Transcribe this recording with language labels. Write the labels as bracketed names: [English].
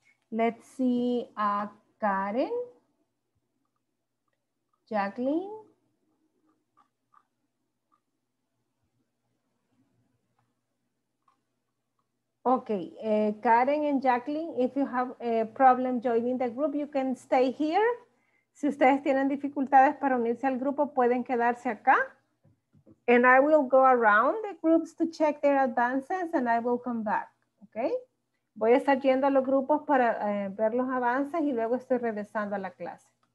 [English] Let's see, Karen, Jacqueline, okay, Karen and Jacqueline, if you have a problem joining the group, you can stay here. [Spanish] Si ustedes tienen dificultades para unirse al grupo, pueden quedarse acá. [English] And I will go around the groups to check their advances and I will come back, okay? [Spanish] Voy a estar yendo a los grupos para ver los avances y luego estoy regresando a la clase.